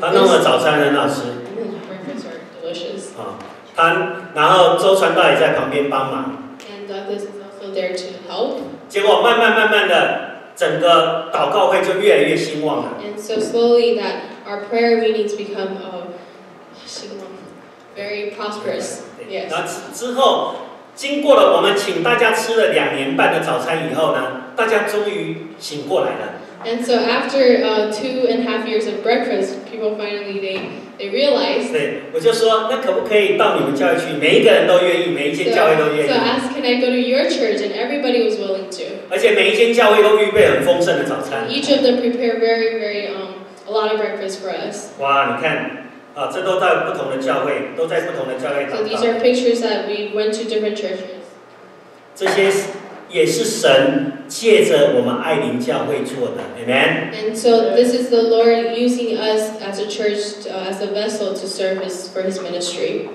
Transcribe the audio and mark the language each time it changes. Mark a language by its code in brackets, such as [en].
[zh] 他弄的早餐很好吃。 [en] Breakfasts are delicious. [zh] 他然后周传道也在旁边帮忙。 [en] And Douglas is also there to help. [zh] 结果慢慢慢慢的，整个祷告会就越来越兴旺了。 [en] And so slowly that our prayer meetings become very prosperous. Yes. [zh] 然后之后，经过了我们请大家吃了2年半的早餐以后呢，大家终于醒过来了。 [en] And so after two and a half years of breakfast, people finally they realized. [zh] 对，我就说那可不可以到你们教会去？每一个人都愿意，每一间教会都愿意。 [en] So ask, can I go to your church? And everybody was willing to. [zh] 而且每一间教会都预备很丰盛的早餐。 [en] Each of them prepared very a lot of breakfast for us. [zh] 哇，你看。啊，这都在不同的教会，都在不同的教会祷告。 [en] So these are pictures that we went to different churches. [zh] 这些也是神借着我们爱灵教会做的 ，Amen. [en] And so this is the Lord using us as a church, as a vessel to serve His for His ministry.